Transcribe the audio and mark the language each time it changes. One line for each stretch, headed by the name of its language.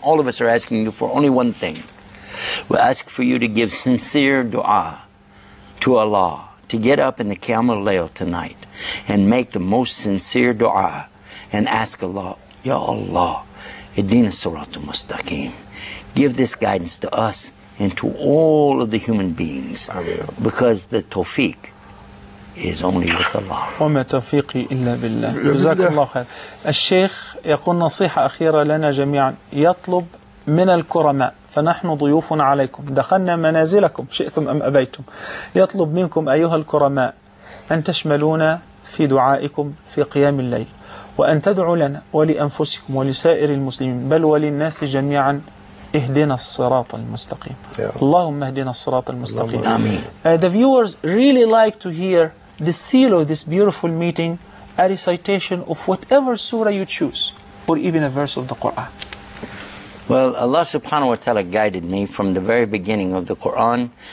English: All of us are asking you for only one thing. We ask for you to give sincere dua to Allah, to get up in the Qiyamul Layl tonight and make the most sincere dua and ask Allah, Ya Allah,
Arabic: Ihdina Siratal Mustaqim,
English: give this guidance to us and to all of the human beings, because the tawfiq is only with Allah.
Arabic: وما توفيقي إلا بالله. جزاك الله خير. الشيخ يقول نصيحة أخيرة لنا جميعا، يطلب من الكرماء، فنحن ضيوف عليكم، دخلنا منازلكم شئتم أم أبيتم، يطلب منكم أيها الكرماء أن تشملونا في دعائكم في قيام الليل، وأن تدعوا لنا ولأنفسكم ولسائر المسلمين بل وللناس جميعا، اهدنا الصراط المستقيم. اللهم اهدنا الصراط المستقيم. آمين.
English: The viewers really like to hear the seal of this beautiful meeting, a recitation of whatever surah you choose or even a verse of the Quran. Well, Allah subhanahu wa ta'ala guided me from the very beginning of the Quran.